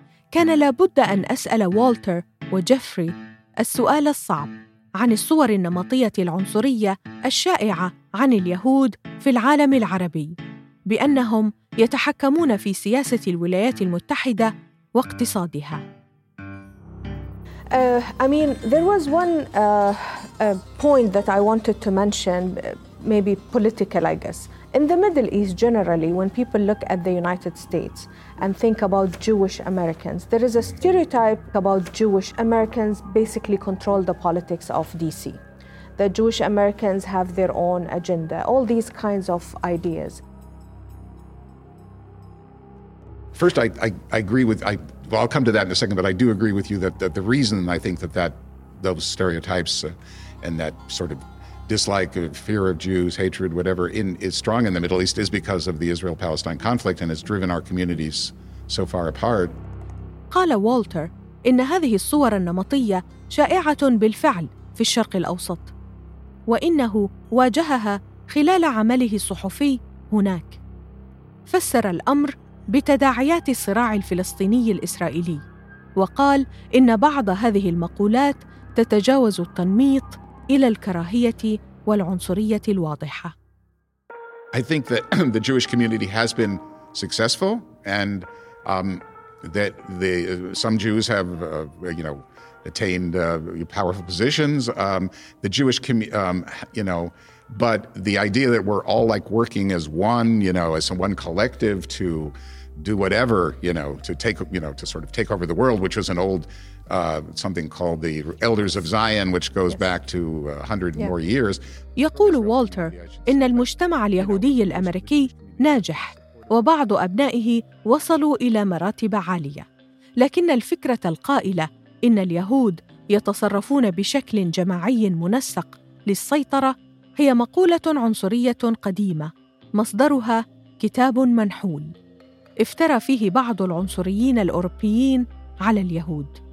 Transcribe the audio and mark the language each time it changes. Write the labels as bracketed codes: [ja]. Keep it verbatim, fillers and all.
[ar] كان لابد أن أسأل والتر وجيفري السؤال الصعب عن الصور النمطية العنصرية الشائعة عن اليهود في العالم العربي، بأنهم يتحكمون في سياسة الولايات المتحدة واقتصادها. [en] Uh, I mean, there was one uh, uh, point that I wanted to mention, maybe political, I guess. In the Middle East, generally, when people look at the United States and think about Jewish Americans, there is a stereotype about Jewish Americans basically control the politics of D C. The Jewish Americans have their own agenda, all these kinds of ideas. First, I, I, I agree with, I, well, I'll come to that in a second, but I do agree with you that, that the reason I think that, that those stereotypes uh, and that sort of dislike, fear of Jews, hatred, whatever, in, is strong in the Middle East is because of the Israel-Palestine conflict and has driven our communities so far apart. [ar] قال والتر إن هذه الصور النمطية شائعة بالفعل في الشرق الأوسط، وإنه واجهها خلال عمله الصحفي هناك. فسر الأمر بتداعيات الصراع الفلسطيني الإسرائيلي، وقال إن بعض هذه المقولات تتجاوز التنميط إلى الكراهية والعنصرية الواضحة. [en] I think that the Jewish community has been successful, and um, that the some Jews have, uh, you know, attained uh, powerful positions. Um, the Jewish, com- um, you know, but the idea that we're all like working as one, you know, as one collective to do whatever, you know, to take, you know, to sort of take over the world, which was an old. Uh, something called the Elders of Zion, which goes back to one hundred yeah. more years. [ar] يقول والتر إن المجتمع اليهودي الأمريكي ناجح وبعض أبنائه وصلوا إلى مراتب عالية، لكن الفكرة القائلة إن اليهود يتصرفون بشكل جماعي منسق للسيطرة هي مقولة عنصرية قديمة مصدرها كتاب منحول افترى فيه بعض العنصريين الأوروبيين على اليهود.